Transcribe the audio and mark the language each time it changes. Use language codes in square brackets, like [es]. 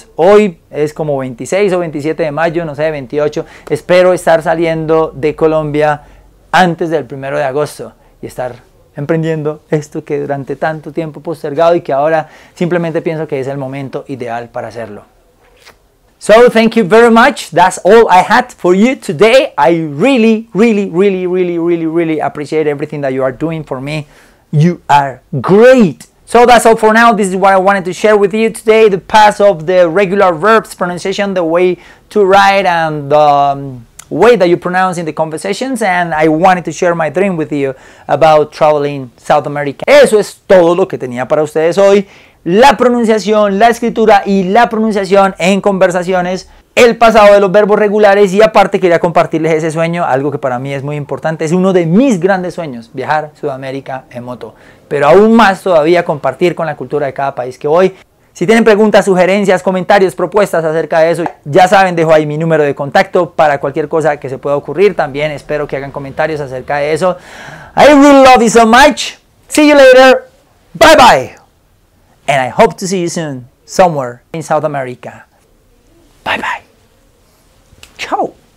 [es] Hoy es como 26 o 27 de mayo, no sé, 28, espero estar saliendo de Colombia antes del 1 de agosto y estar emprendiendo esto que durante tanto tiempo he postergado y que ahora simplemente pienso que es el momento ideal para hacerlo. [en] So thank you very much. That's all I had for you today. I really, really, really, really, really, really appreciate everything that you are doing for me. You are great. So that's all for now. This is what I wanted to share with you today. The path of the regular verbs pronunciation, the way to write and the way that you pronounce in the conversations. And I wanted to share my dream with you about traveling South America. [es] Eso es todo lo que tenía para ustedes hoy. La pronunciación, la escritura y la pronunciación en conversaciones, el pasado de los verbos regulares y aparte quería compartirles ese sueño, algo que para mí es muy importante, es uno de mis grandes sueños, viajar Sudamérica en moto, pero aún más todavía compartir con la cultura de cada país que voy. Si tienen preguntas, sugerencias, comentarios, propuestas acerca de eso, ya saben, dejo ahí mi número de contacto para cualquier cosa que se pueda ocurrir. También espero que hagan comentarios acerca de eso. [en] I really love you so much. See you later. Bye bye. And I hope to see you soon, somewhere in South America. Bye-bye. Ciao.